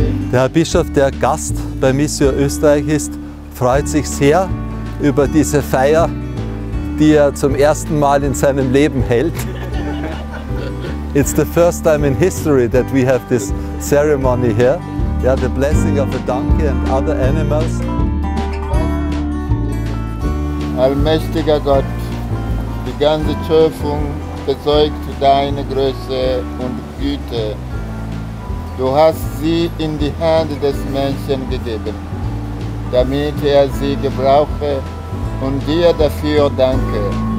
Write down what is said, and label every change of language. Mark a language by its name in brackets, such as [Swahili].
[German] Der Herr Bischof, der Gast bei Missio Österreich ist, freut sich sehr über diese Feier, die er zum ersten Mal in seinem Leben hält. [English] It's the first time in history that we have this ceremony here. Yeah, the blessing of a donkey and other animals. [German] Allmächtiger Gott, die ganze Schöpfung bezeugt deine Größe und Güte. Du hast sie in die Hand des Menschen gegeben, damit er sie gebrauche und dir dafür danke.